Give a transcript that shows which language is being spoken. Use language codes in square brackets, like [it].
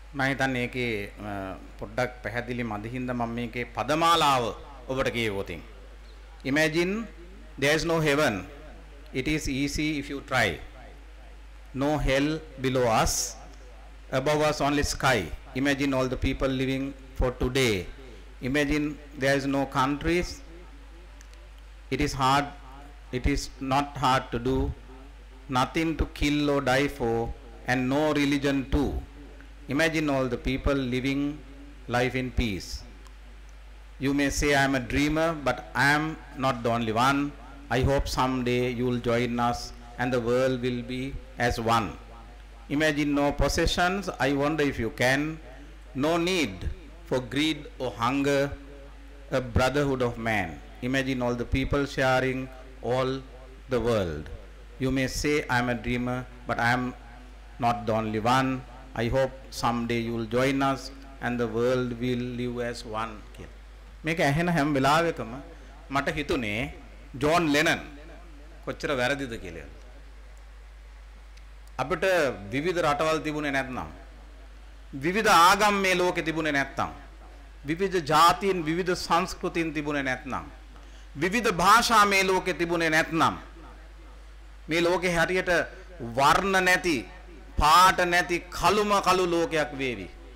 [si] හිතන්නේ ඒකේ පොඩ්ඩක් පැහැදිලි මදි හින්දා මම මේකේ පදමාලාව ඔබට කියවෝතින්. [en] Imagine there is no heaven. It is easy if you try. No hell below us. Above us only sky. Imagine all the people living for today. Imagine there is no countries. It is not hard to do. Nothing to kill or die for. And no religion too. Imagine all the people living life in peace. You may say I am a dreamer, but I am not the only one. I hope someday you will join us and the world will be as one. Imagine no possessions, I wonder if you can. No need for greed or hunger, a brotherhood of man. Imagine all the people sharing all the world. You may say I am a dreamer, but I am not the only one. I hope someday you will join us and the world will live as one. [si] මේක ඇහෙන හැම වෙලාවෙකම මට හිතුනේ John ලෙනන් කොච්චර වැරදිද කියලා. අපිට විවිධ රටවල් තිබුණේ නැත්නම් විවිධ ආගම් මේ ලෝකේ තිබුණේ නැත්නම් විවිධ ජාතීන් විවිධ සංස්කෘතීන් තිබුණේ නැත්නම් විවිධ භාෂා මේ ලෝකේ තිබුණේ නැත්නම් මේ ලෝකේ හැටියට වර්ණ නැති පාට නැති කළුම කළු ලෝකයක් වේවි.